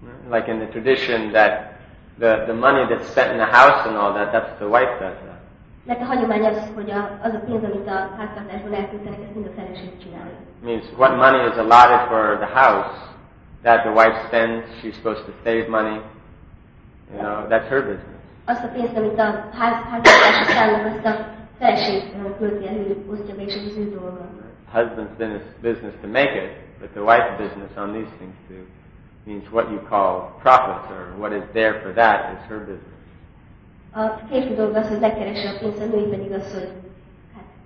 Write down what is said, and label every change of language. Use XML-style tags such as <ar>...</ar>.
<en>Like in the tradition that the money that's spent in the house and all that, that's the wife does that.</en> <hu>Mert a hagyomány az, hogy az a pénz, amit a háztartásban elküldenek, ezt mind a feleség csinálja.</hu> <en>Means what money is allotted for the house that the wife spends, she's supposed to save money. You know, that's her business.</en> <hu>Azt a pénzt, amit a háztartási számnak, azt a feleség költi el, hogy osztja be, és az ő dolga.</hu> <en>Husband's business to make it, but the wife's business on these things too means what you call profits or what is there for that is her business.</en> <hu>A férfi dolga az, hogy megkeresse a pénzt, a női pedig az, hogy hát</hu>